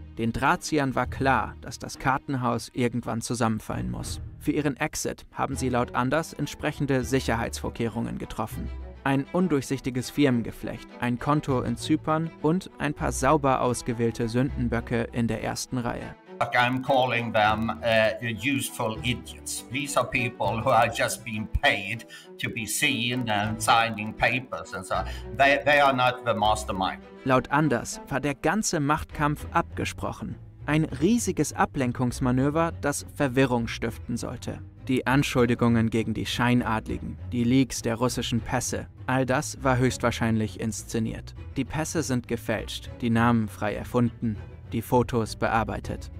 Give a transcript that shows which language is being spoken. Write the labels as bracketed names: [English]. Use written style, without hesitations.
[German] Den Drahtziehern war klar, dass das Kartenhaus irgendwann zusammenfallen muss. Für ihren Exit haben sie laut Anders entsprechende Sicherheitsvorkehrungen getroffen. Ein undurchsichtiges Firmengeflecht, ein Konto in Zypern und ein paar sauber ausgewählte Sündenböcke in der ersten Reihe. [English] I'm calling them useful idiots. These are people who are just being paid to be seen and signing papers and so. They are not the mastermind. [German] Laut Anders war der ganze Machtkampf abgesprochen. Ein riesiges Ablenkungsmanöver, das Verwirrung stiften sollte. Die Anschuldigungen gegen die Scheinadligen, die Leaks der russischen Pässe, all das war höchstwahrscheinlich inszeniert. Die Pässe sind gefälscht, die Namen frei erfunden. Die Fotos bearbeitet.